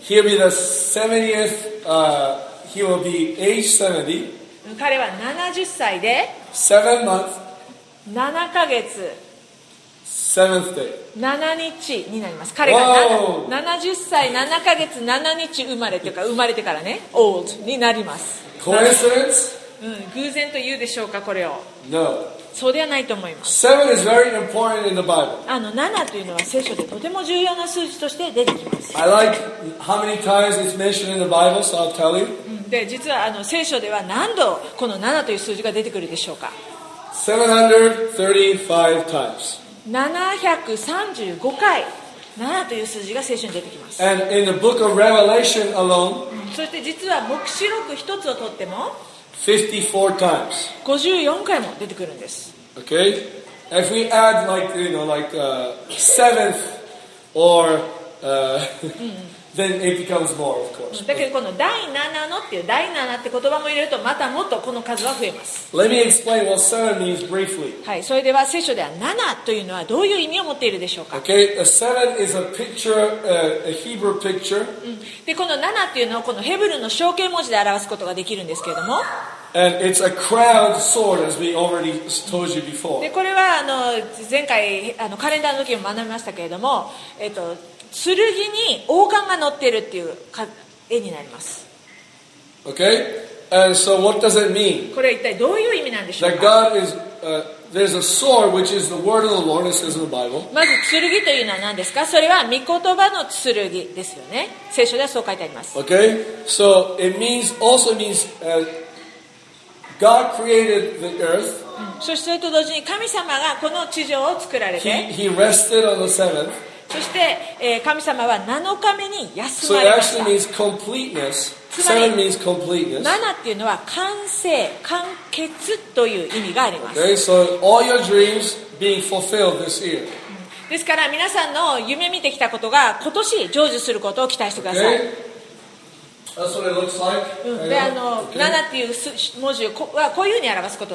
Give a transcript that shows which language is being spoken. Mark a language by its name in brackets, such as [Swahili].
[English] he'll be the 70th, he will be age 70. [Japanese] 彼は70歳で、 [English] 7 months, [Japanese] 7ヶ月、 [English] 7th day, [Japanese] 7日になります。彼が70歳7ヶ月7日生まれというか、生まれてからね、old になります。 [English] Coincidence? [Japanese] 偶然と言うでしょうか、これを。 [English] No. [Japanese] そうではないと思います。 [English] Seven is very important in the Bible. [Japanese] 7というのは聖書でとても重要な数字として出てきます。 [English] I like how many times it's mentioned in the Bible, so I'll tell you. [Japanese] で、実は聖書では何度この7という数字が出てくるでしょうか。 [English] 735 times. [Japanese] 735回7という数字が聖書に出てきます。 [English] And in the book of Revelation alone, [Japanese] そして実は黙示録一つをとっても [English] 54 times. [Japanese] 54回も出てくるんです。 [English] Okay. If we add like, you know, like seventh or then it becomes more, of course. [Japanese] だけどこの第7のっていう第7って言葉も入れるとまたもっとこの数は増えます。 [English] Let me explain what seven means briefly. [Japanese] はい、それでは聖書では7というのはどういう意味を持っているでしょうか。 [English] Okay. A seven is a picture, a Hebrew picture. [Japanese] でこの7っていうのをこのヘブルの象形文字で表すことができるんですけれども。 [English] And it's a crowned sword, as we already told you before. [Japanese] でこれは前回カレンダーの時も学びましたけれども、剣に王冠が乗ってるっていう絵になります。 [English] Okay. And so what does it mean? [Japanese] これは一体どういう意味なんでしょうか。 [English] That God is, there's a sword which is the word of the Lord, it says in the Bible. [Japanese] まず剣というのは何ですか。それは御言葉の剣ですよね。聖書ではそう書いてあります。 [English] Okay. So it means, also means, God created the earth. [Japanese] そしてそれと同時に神様がこの地上を作られて、 [English] He rested on the seventh. [Japanese] そして、神様は7日目に休まれました。つまり、7 っていうのは完成、完結という意味があります。 [English] Okay, so all your dreams being fulfilled this year. [Japanese] ですから皆さんの夢見てきたことが今年成就することを期待してください。 [English] Okay. That's what it looks like. [Japanese] で、7っていう文字はこういうふうに表すこと